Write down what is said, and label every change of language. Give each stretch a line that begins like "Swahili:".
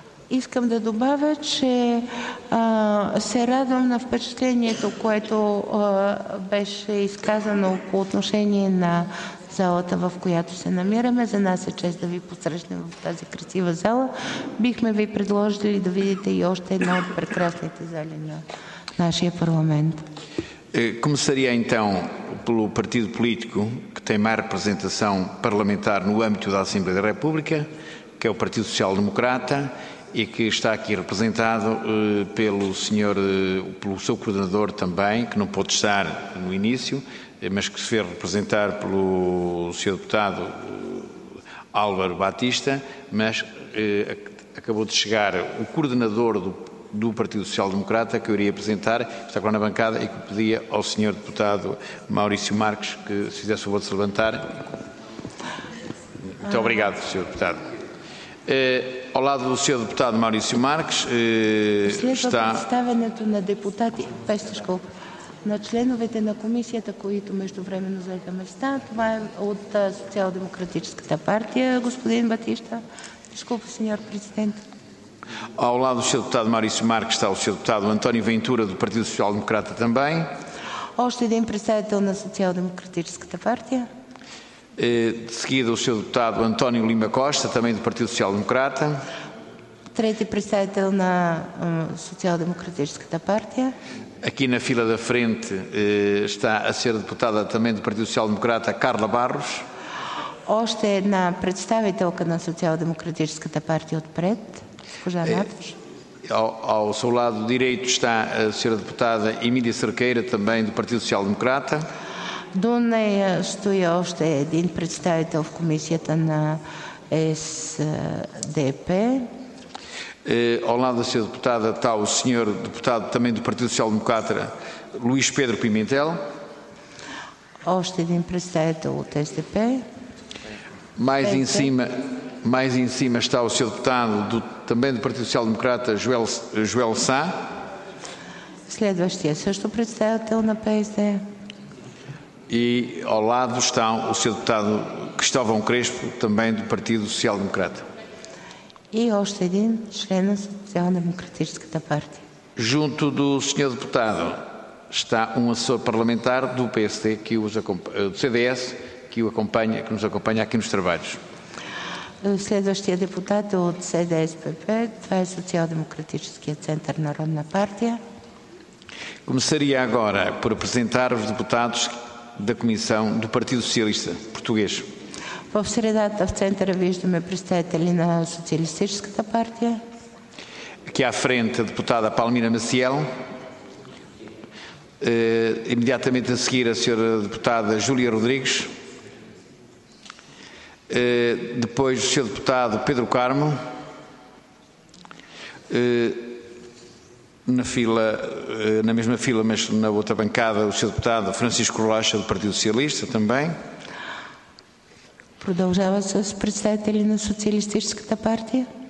Bulgarian: Искам да добавя, че се радвам на впечатлението, което беше изказано по отношение на залата, в която се намираме. За нас е чест да ви посрещнем в тази красива зала. Бихме ви предложили да видите и още една от прекрасните зали на нашия парламент.
Portuguese: Começaria então pelo partido político que tem mais representação parlamentar no âmbito da Assembleia da República, que é o Partido Social Democrata, e que está aqui representado pelo senhor, pelo seu coordenador também, que não pôde estar no início, mas que se vê representar pelo senhor deputado Álvaro Batista, mas acabou de chegar o coordenador do Partido Social Democrata, que eu iria apresentar, que está agora na bancada, e que pedia ao senhor deputado Maurício Marques que se fizesse o voto de se levantar. Muito obrigado, senhor deputado. Ao lado do senhor deputado Maurício Marques está...
Bulgarian: Представянето на депутати, Пестешко, на членовете на комисията, които междувременно взеха места. Това е от Социал-демократическата партия, господин Батиста.
Portuguese: Desculpe, senhor presidente. Ao lado do senhor deputado Maurício Marques está o senhor deputado António Ventura, do Partido Social Democrata também.
Bulgarian: Още един представител на Социал-демократическата партия.
Portuguese: De seguida, o senhor deputado António Lima Costa, também do Partido Social Democrata.
Bulgarian: Трети представител на Социал-демократическата партия.
Portuguese: Aqui na fila da frente está a senhora deputada também do Partido Social Democrata, Carla Barros.
Bulgarian: Още една представителка на Социал-демократическата партия отпред, госпожа Матвеш.
Portuguese: Ao seu lado direito está a senhora deputada Emília Cerqueira, também do Partido Social Democrata.
Bulgarian: До нея стои още един представител в комисията на СДП.
Portuguese: Ao lado da senhora deputada está o senhor deputado também do Partido Social Democrata, Luís Pedro Pimentel.
Bulgarian: Още един представител от СДП.
Portuguese: Mais em cima está o senhor deputado também do Partido Social Democrata, Joel Sá.
Bulgarian: Следващия също представител на ПСД.
Portuguese: E ao lado está o senhor deputado Cristóvão Crespo, também do Partido Social Democrata.
Bulgarian: И още един член на Социал-демократическата партия.
Portuguese: Junto do senhor deputado está um assessor parlamentar do PSD, do CDS, que nos acompanha aqui nos trabalhos.
Bulgarian: Следващия депутат е от CDS-PP, това е Социал-демократическия център Народна партия.
Portuguese: Começaria agora por apresentar os deputados da Comissão do Partido Socialista Português.
Bulgarian: В средата, в центъра, виждаме представители на Социалистическата партия.
Portuguese: Aqui à frente, a deputada Palmira Maciel. Imediatamente a seguir, a senhora deputada Júlia Rodrigues. Depois, o senhor deputado Pedro Carmo. Na fila, na mesma fila, mas na outra bancada, o senhor deputado Francisco Rocha, do Partido Socialista, também.
Bulgarian: Продължава-se с представители на Социалистическата партия.